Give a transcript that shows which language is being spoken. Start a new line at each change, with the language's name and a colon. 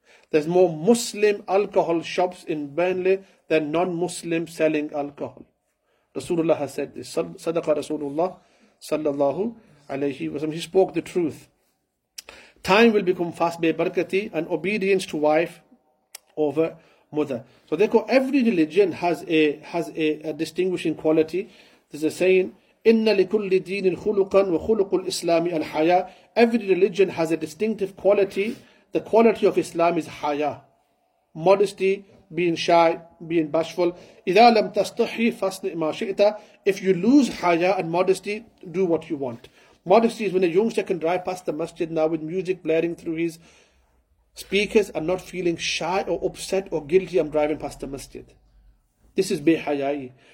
English: There's more Muslim alcohol shops in Burnley than non-Muslim selling alcohol. Rasulullah has said this. Sadaqa Rasulullah sallallahu alayhi wa sallam. He spoke the truth. Time will become fast by barakati and obedience to wife over mother. So therefore, every religion has a distinguishing quality. There's a saying,
Arabic: إِنَّ لِكُلِّ دِينٍ خُلُقًا وَخُلُقُ الْإِسْلَامِ الْحَيَاءِ.
English: Every religion has a distinctive quality. The quality of Islam is haya, modesty, being shy, being bashful.
Arabic: إِذَا لَمْ تَسْتَحِي فَاسْنِئْ مَا شِئْتَ.
English: If you lose haya and modesty, do what you want. Modesty is when a youngster can drive past the masjid now with music blaring through his speakers and not feeling shy or upset or guilty, I'm driving past the masjid. This is bihayai.